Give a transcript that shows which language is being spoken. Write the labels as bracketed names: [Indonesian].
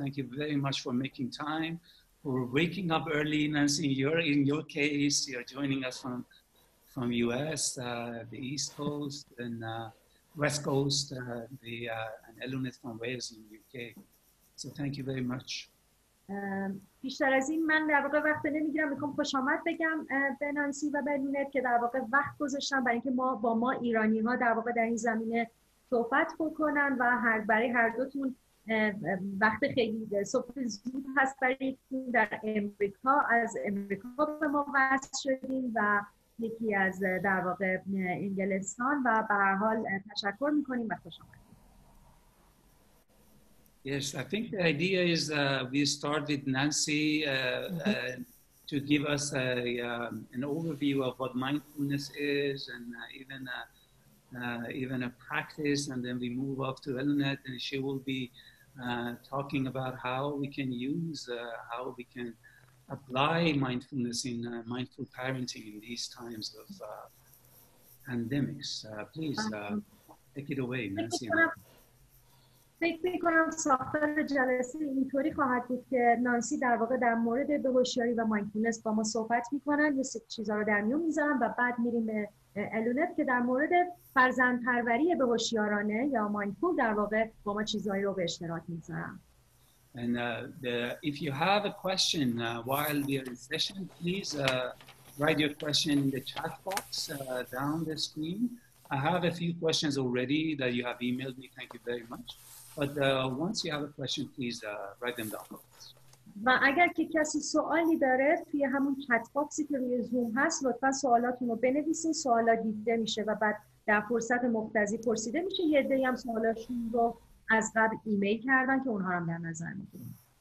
[English] Thank you very much for making time, for waking up early. Nancy, in your case, you're joining us from US, the East Coast and West Coast, and Eluned from Wales in the UK. So thank you very much. [Persian] بیشتر از این من در واقع وقت نمیگیرم، میخوام خوش آمد بگم به نانسی و به لونت که در واقع وقت گذاشتن برای اینکه با ما ایرانی ها در واقع در این زمینه صحبت بکنن و برای هر دوتون وقت خیلی صبح زود هست برای اینکه در امریکا از امریکا به ما وصل شدیم و یکی از در واقع انگلستان و به هر حال تشکر میکنیم و خوش آمد. [English] Yes, I think the idea is we start with Nancy to give us an overview of what mindfulness is and even a practice, and then we move off to Eluned and she will be talking about how we can use, how we can apply mindfulness in mindful parenting in these times of pandemics. Please take it away, Nancy. [Persian] فکر میکنم ساختار جلسه اینطوری خواهد بود که نانسی در واقع در مورد به هوشیاری و مایندفولنس با ما صحبت میکنن، یه سری چیزها رو در میون میذارن و بعد میریم به الونت که در مورد فرزند پروری به هوشیارانه یا مایندفول در واقع با ما چیزهایی رو به اشتراک میذارن. [English] And if you have a question while we are in session, please write your question in the chat box down the screen. I have a few questions already that you have emailed me. Thank you very much. But once you have a question, please write them down. [Persian] و اگر که کسی سوالی داره توی همون چت باکسی که روی زوم هست لطفا سوالاتونو بنویسین، سوالا دیده میشه و بعد در فرصت مقتضی پرسیده میشه. یه عده‌ای هم سوالاشون رو از قبل ایمیل کردن که اونها رو هم در نظر میگیریم.